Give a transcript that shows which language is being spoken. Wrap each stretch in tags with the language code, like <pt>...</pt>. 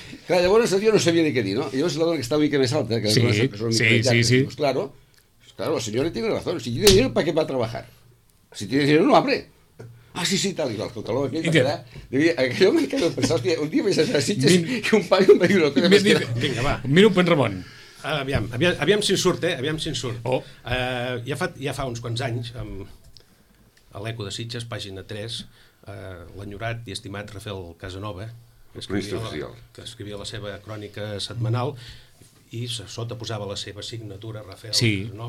<ca>Clar, llavors el tio no sabia ni què dir, no? I llavors la dona que està una mica més alta, que sí, és una mica sí, llarga, sí,</ca> <es>pues, claro, claro, la senyora tiene razón, si tiene dinero, ¿para qué va a trabajar? Si tiene dinero, no abre.</es> <ca>Ah, sí, sí, tal, igual, tot l'home aquell va quedar... Aquell home que no pensava, hòstia, un dia vaig a les sitges i un paio em va dir una cosa més que... Vinga, va, mira un pen Ramon. Aviam si en surt, eh? Aviam si en surt. Oh. Ja fa uns quants anys, a l'Eco de Sitges, pàgina 3, l'enyorat i estimat Rafael Casanova, que escrivia la seva crònica setmanal, i sota posava la seva signatura, Rafael Casanova,</ca>